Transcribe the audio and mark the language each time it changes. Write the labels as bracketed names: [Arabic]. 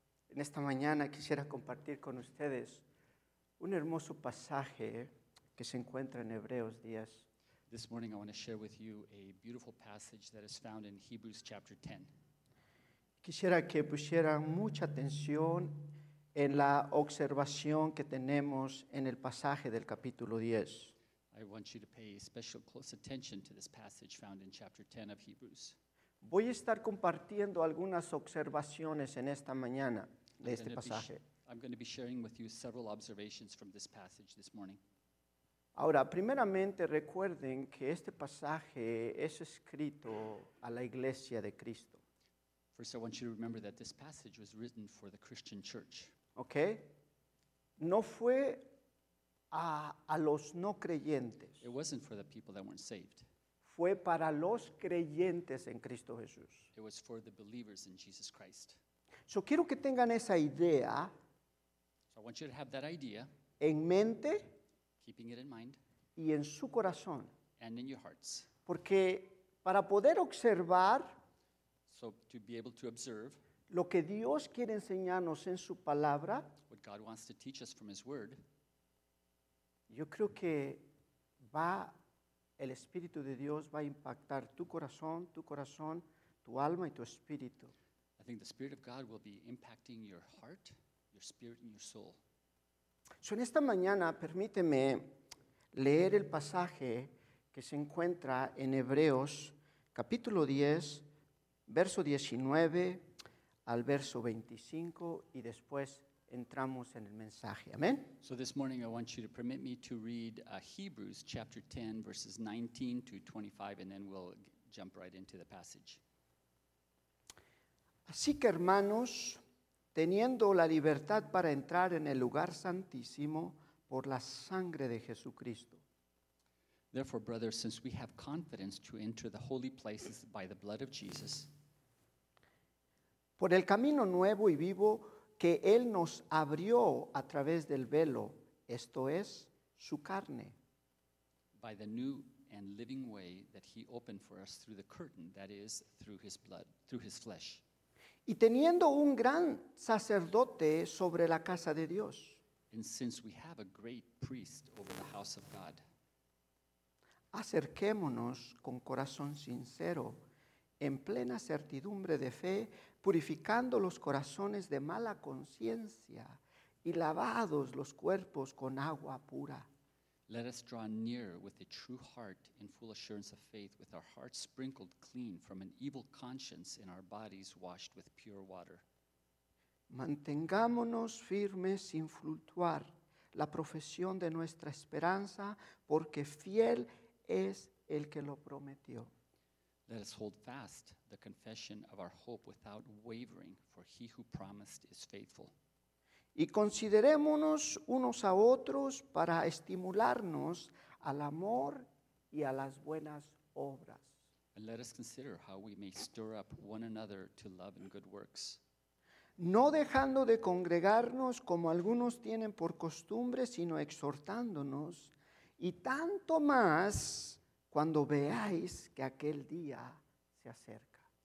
[Spanish] En esta mañana quisiera compartir con ustedes un hermoso pasaje que se encuentra en Hebreos 10. [English] This morning I want to share with you a beautiful passage that is found in Hebrews chapter 10. [Spanish] Quisiera que pusieran mucha atención en la observación que tenemos en el pasaje del capítulo 10. [English] I want you to pay special close attention to this passage found in chapter 10 of Hebrews. [Spanish] Voy a estar compartiendo algunas observaciones en esta mañana de este pasaje. [English] I'm going to be sharing with you several observations from this passage this morning. [Spanish] Ahora, primeramente recuerden que este pasaje es escrito a la iglesia de Cristo. [English] First, I want you to remember that this passage was written for the Christian church. [Spanish] Okay. No fue a los no creyentes. [English] It wasn't for the people that weren't saved. [Spanish] Fue para los creyentes en Cristo Jesús. [English] It was for the believers in Jesus Christ. [Spanish] So quiero que tengan esa idea. [English] So I want you to have that idea. [Spanish] En mente. [English] Keeping it in mind. [Spanish] Y en su corazón. [English] And in your hearts. [Spanish] Porque para poder observar. [English] So to be able to observe. [Spanish] Lo que Dios quiere enseñarnos en su palabra. [English] What God wants to teach us from his word. [Spanish] Yo creo que va a. El Espíritu de Dios va a impactar tu corazón, tu alma y tu espíritu. [English] I think the Spirit of God will be impacting your heart, your spirit, and your soul. [Spanish] So, en esta mañana, permíteme leer el pasaje que se encuentra en Hebreos, capítulo 10, verso 19 al verso 25, y después entramos en el mensaje. Amén. [English] So this morning I want you to permit me to read Hebrews chapter 10 verses 19 to 25 and then we'll jump right into the passage. [Spanish] Así que hermanos, teniendo la libertad para entrar en el lugar santísimo por la sangre de Jesucristo. [English] Therefore, brothers, since we have confidence to enter the holy places by the blood of Jesus, [Spanish] por el camino nuevo y vivo que Él nos abrió a través del velo, esto es, su carne. [English] By the new and living way that He opened for us through the curtain, that is, through His blood, through His flesh. [Spanish] Y teniendo un gran sacerdote sobre la casa de Dios. [English] And since we have a great priest over the house of God, [Spanish] acerquémonos con corazón sincero, en plena certidumbre de fe, purificando los corazones de mala conciencia y lavados los cuerpos con agua pura. [English] Let us draw near with a true heart in full assurance of faith, with our hearts sprinkled clean from an evil conscience and our bodies washed with pure water. [Spanish] Mantengámonos firmes sin fluctuar la profesión de nuestra esperanza, porque fiel es el que lo prometió. [English] Let us hold fast the confession of our hope without wavering, for he who promised is faithful. [Spanish] Y considerémonos unos a otros para estimularnos al amor y a las buenas obras. [English] And let us consider how we may stir up one another to love and good works. [Spanish] No dejando de congregarnos como algunos tienen por costumbre, sino exhortándonos, y tanto más cuando veáis que aquel día se acerca.